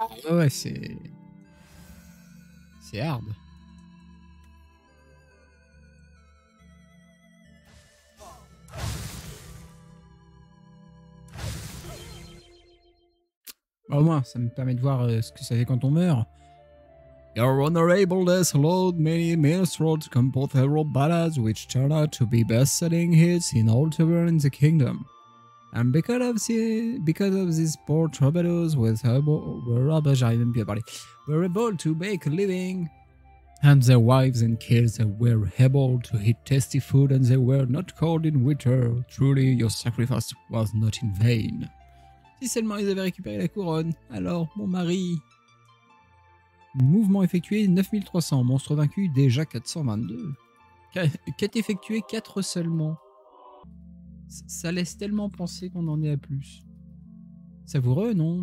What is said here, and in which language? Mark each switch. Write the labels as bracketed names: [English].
[French] Ouais, c'est hard. Au moins, ça me permet de voir ce que ça fait quand on meurt. [English] Your honorableness, Lord, many minstrels compose several ballads which turn out to be best-selling hits in all tavern in the kingdom. And because of these poor troubadours with were able to make a living, and their wives and kids were able to eat tasty food, and they were not cold in winter. Truly, your sacrifice was not in vain. [French] Si seulement ils avaient récupéré la couronne, alors mon mari. Mouvement effectué 9300, monstre vaincu déjà 422. Quête effectuée 4 seulement. Ça laisse tellement penser qu'on en est à plus. Savoureux, non?